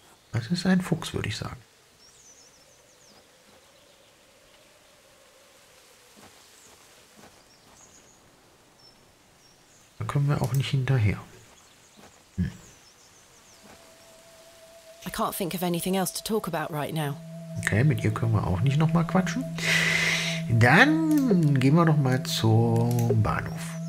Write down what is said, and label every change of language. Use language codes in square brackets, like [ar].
[de] Das ist ein Fuchs, würde ich sagen. Da können wir auch nicht hinterher. [en] I can't think of anything else to talk about right now. [de] Okay, mit ihr können wir auch nicht nochmal quatschen. Dann gehen wir nochmal zum Bahnhof.